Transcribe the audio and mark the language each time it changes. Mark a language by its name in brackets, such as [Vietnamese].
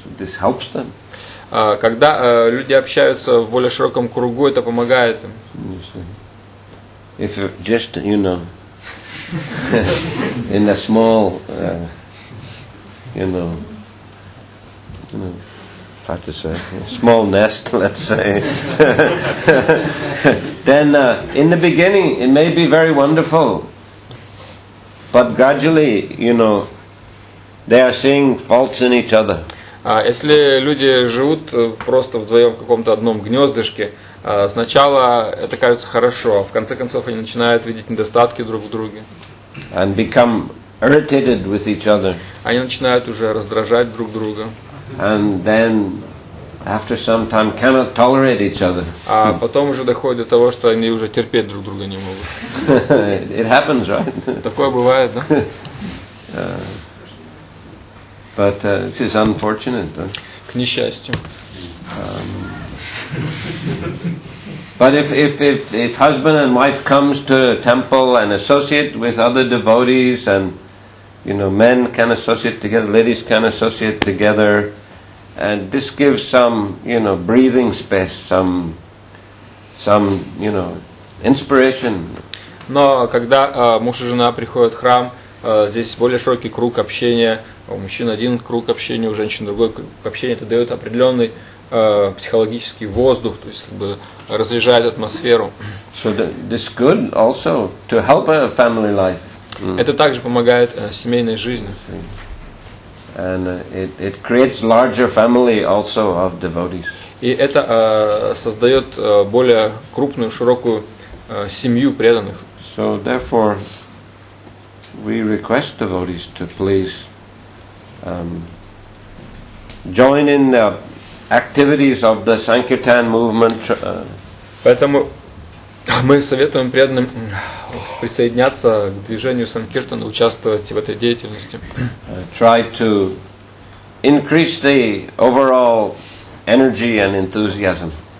[English] This helps them. [Russian] Когда люди общаются в более широком кругу, это помогает им. [English] If just, you know, in a small, how to say, small nest, let's say, then in the beginning it may be very wonderful, but gradually, you know, they are seeing faults in each other. [Russian] Если люди живут просто вдвоем в каком-то одном гнездышке, сначала это кажется хорошо, а в конце концов они начинают видеть недостатки друг в друге. [English] And become irritated with each other. [Russian] Они начинают уже раздражать друг друга. [English] And then after some time cannot tolerate each other. [Russian] А потом уже доходит до того, что они уже терпеть друг друга не могут. [English] It happens, right? [Russian] Такое бывает, да? [English] But this is unfortunate. [Russian] К несчастью. [English] But if husband and wife comes to a temple and associate with other devotees, and you know, men can associate together, ladies can associate together, and this gives some, you know, breathing space, some you know, inspiration. [Russian] Но когда муж и жена приходят в храм, здесь более широкий круг общения. У мужчин один круг общения, у женщин другой круг общения. Это дает определенный психологический воздух, то есть как бы разряжает атмосферу. [English] So this good also to help a family life. [Russian] Это также помогает семейной жизни. [English] And it creates larger family also of devotees. [Russian] И это создает более крупную, широкую семью преданных. [English] So therefore, we request devotees to please join in the activities of the Sankirtan movement. [Russian] Поэтому мы советуем преданным присоединяться к движению Санкиртан, участвовать в этой деятельности. [English] Try to increase the overall energy and enthusiasm.